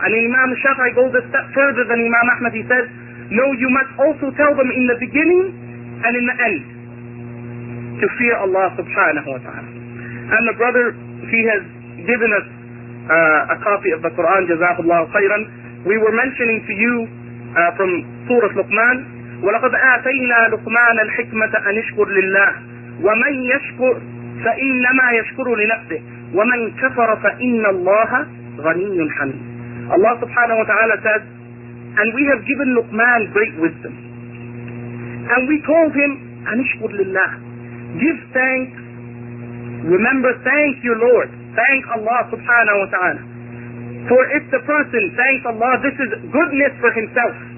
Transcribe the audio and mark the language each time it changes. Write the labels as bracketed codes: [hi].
[en] And Imam Shafi'i goes a step further than Imam Ahmad. He says, no, you must also tell them in the beginning and in the end to fear Allah subhanahu wa ta'ala. And the brother, he has given us a copy of the Quran, Jazakallahu Khayran. We were mentioning to you from Surah Luqman, [ar] وَلَقَدْ آتَيْنَا لُقْمَانَ الْحِكْمَةَ أَنْ يَشْكُرْ لِلَّهِ وَمَنْ يَشْكُرْ فَإِنَّمَا يَشْكُرُ لِنَفْسِهِ وَمَنْ كَفَرَ فَإِنَّ اللَّهَ غَنِيٌّ حَمِيدٌ. [en] Allah subhanahu wa ta'ala says, and we have given Luqman great wisdom. And we told him, [ar] أَنِشْكُرْ لِلَّهِ, [en] give thanks, remember, thank your Lord, thank Allah subhanahu wa ta'ala. For if the person thanks Allah, this is goodness for himself.